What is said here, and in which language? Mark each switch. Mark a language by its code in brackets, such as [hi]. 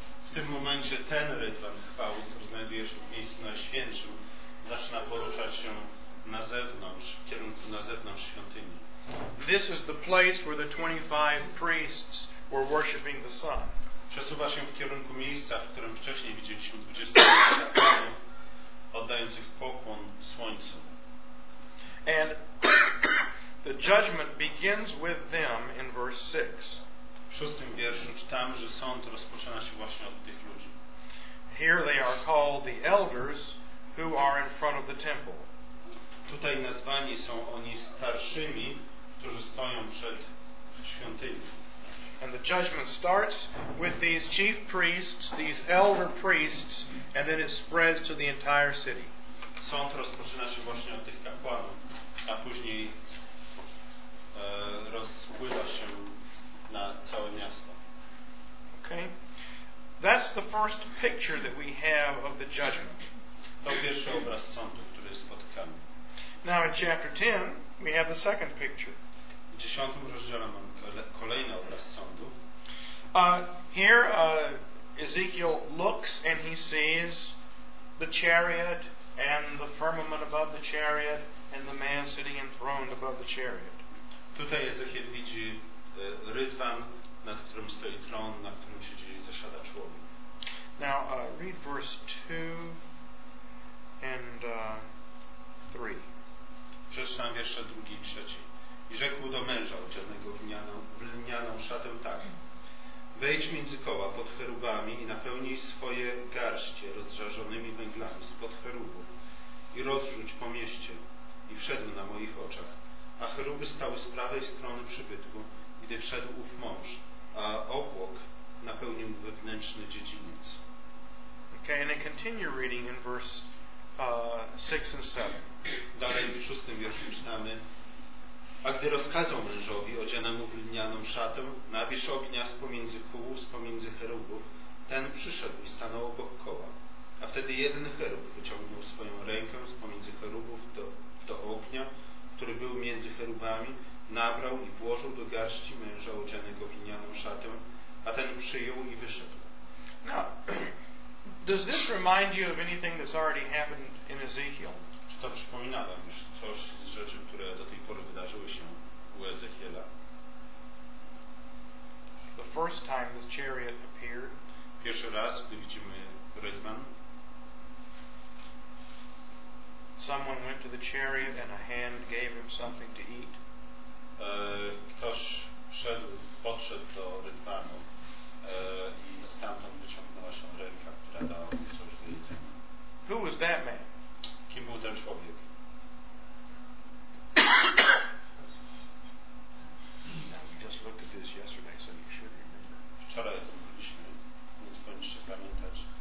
[pl] W tym momencie ten rydwan chwały, który znajduje się w miejscu najświętszym, zaczyna poruszać się na zewnątrz, w kierunku na zewnątrz świątyni. [en] This is the place where the 25 priests were worshiping the sun. [pl] Przesuwa się w kierunku miejsca, w którym wcześniej widzieliśmy 25 oddających pokłon słońcu. [en] And the judgment begins with them in verse 6. [pl] W szóstym wierszu czytamy, że sąd rozpoczyna się właśnie od tych ludzi. [en] Here they are called the elders who are in front of the temple. [pl] Tutaj nazwani są oni starszymi, którzy stoją przed świątynią. [en] And the judgment starts with these chief priests, these elder priests, and then it spreads to the entire city. [pl] Sąd rozpoczyna się właśnie od tych kapłanów, a później rozpływa się na całe miasto. [en] Okay. That's the first picture that we have of the judgment. [pl] To pierwszy obraz sądu, który spotykamy. [en] Now in chapter 10, we have the second picture. [pl] W dziesiątym rozdziale mamy kolejny obraz sądu. [en] Here Ezekiel looks and he sees the chariot and the firmament above the chariot and the man sitting enthroned above the chariot. [pl] Tutaj Ezechiel widzi rydwan, na którym stoi tron, na którym siedzi i zasiada człowiek. [en] Now read verse 2 and 3. [pl] Przeczytam wiersze 2 i 3. I rzekł do męża odzianego w lnianą szatę tak: wejdź między koła pod cherubami i napełnij swoje garście rozżarzonymi węglami spod cherubów i rozrzuć po mieście. I wszedł na moich oczach, a cheruby stały z prawej strony przybytku, gdy wszedł ów mąż, a obłok napełnił wewnętrzny dziedziniec. [en] Okay, and I continue reading in verse 6 and 7. [pl] Dalej w szóstym wierszu czytamy: a gdy rozkazał mężowi odzianemu w lnianą szatę nawierz ognia spomiędzy kół, spomiędzy cherubów, ten przyszedł i stanął obok koła. A wtedy jeden cherub wyciągnął swoją rękę spomiędzy cherubów do ognia, który był między cherubami, nabrał i włożył do garści męża odzianego w lnianą szatę, a ten przyjął i wyszedł. [en] Now, does this remind you of anything that's already happened in Ezekiel? [pl] Czy to przypomina wam już coś z rzeczy, które do tej pory wydarzyły się u Ezechiela? [en] The first time the chariot appeared. [pl] Pierwszy raz, gdy widzimy rydwan. [en] Someone went to the chariot and a hand gave him something to eat. [pl] Ktoś podszedł do rydwanu i stamtąd wyciągnęła się ręka, która dała mu coś do jedzenia. [en] Who was that man? [pl] Kim był ten człowiek? [en] Now we just looked at this yesterday, so you should remember. [pl] Wczoraj to mówiliśmy, więc powinniście się pamiętać.